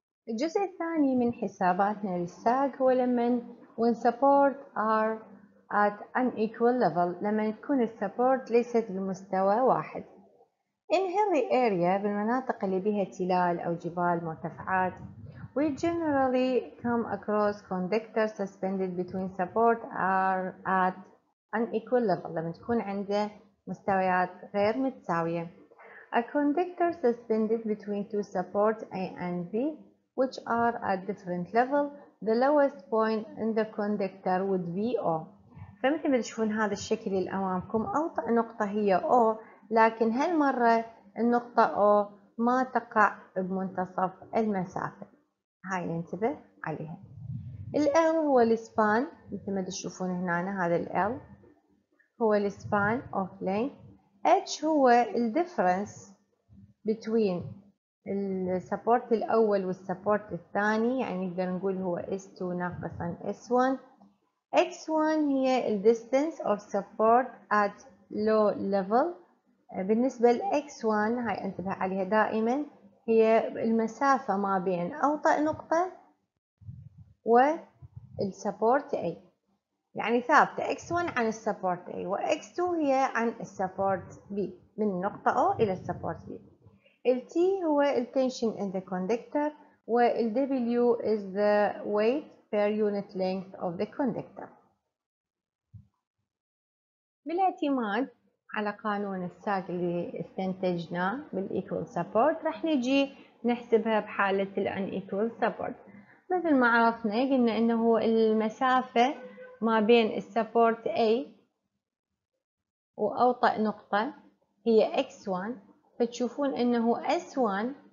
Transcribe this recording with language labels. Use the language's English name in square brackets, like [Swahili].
[Arabic] الجزء الثاني من حساباتنا للساق هو لمن [English] when support are at an equal level، [Arabic] لما تكون السبورت ليست بمستوى واحد. [English] In hilly area [Arabic] بالمناطق اللي بها تلال أو جبال مرتفعات، [English] we generally come across conductors suspended between support are at an equal level، [Arabic] لما تكون عنده مستويات غير متساوية. [English] A conductor suspended between two supports A and B which are at different level، the lowest point in the conductor would be O. [Arabic] فمثل ما تشوفون هذا الشكل الأمامكم، أوطأ نقطة هي O، لكن هالمرة النقطة O ما تقع بمنتصف المسافة. هاي ننتبه عليها. L هو الاسبان، مثل ما تشوفون هنا هذا L هو الاسبان [English] of length. [Arabic] H هو ال [English] difference between [Arabic] السبورت الأول والسبورت الثاني، يعني نقدر نقول هو S2 ناقصا S1. [English] X1 هي الdistance of support at low level. [Arabic] بالنسبة لX1 هاي انتبه عليها دائما، هي المسافة ما بين أوطأ نقطة والسبورت A، يعني ثابتة X1 عن السبورت A وX2 هي عن السبورت B، من النقطة O إلى السبورت B. [English] الT [Arabic] هو التنشن [English] in the conductor والW is the weight per unit length of the conductor. [Arabic] بالاعتماد على قانون الساق اللي استنتجناه بالequal support رح نجي نحسبها بحالة [English] unequal support. [Arabic] مثل ما عرفنا قلنا انه المسافة ما بين السبورت A وأوطأ نقطة هي X1، فتشوفون انه S1